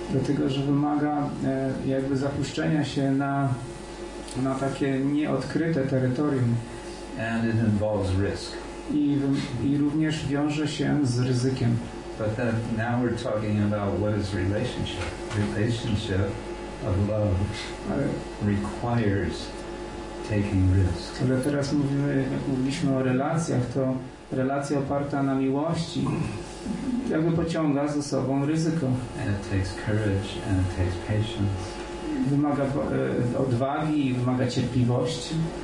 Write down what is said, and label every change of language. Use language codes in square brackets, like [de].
[pl] Dlatego, że wymaga jakby zapuszczenia się na takie nieodkryte terytorium. [en] And it involves risk. [pl] I również wiąże się z ryzykiem. [en] But then now we're talking about what is relationship. Relationship of love requires taking risk. [pl] Ale teraz mówiliśmy o relacjach, to relacja oparta na miłości jakby pociąga za sobą ryzyko. [en] And it takes courage and it takes patience. [pl] Wymaga odwagi i wymaga cierpliwości.